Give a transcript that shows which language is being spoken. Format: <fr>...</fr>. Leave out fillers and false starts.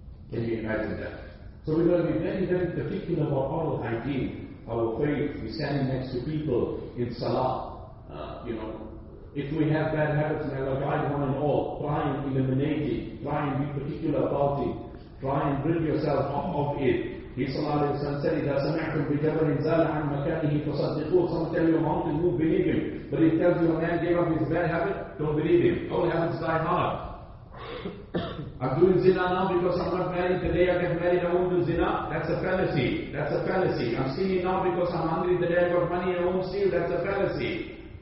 <en>Can you imagine that? So we're going to be very, very particular about oral hygiene, our faith, we stand next to people in salah. You know, if we have bad habits, may Allah guide one and all, try and eliminate it, try and be particular about it, try and rid yourself of it. He said,</en> <ar>إِذَا سَمِعْتُمْ بِجَبَرٍ زَالَ عَنْ مَكَانِهِ فَصَدِّقُوا.</ar> <en>Some tell you a mountain, you believe him. But if he tells you a man gave up his bad habit, don't believe him. Oh, habits die hard. I'm doing zina now because I'm not married. The day I get married, I won't do zina. That's a fallacy. That's a fallacy. I'm stealing now because I'm hungry. The day I got money, I won't steal. That's a fallacy.</en>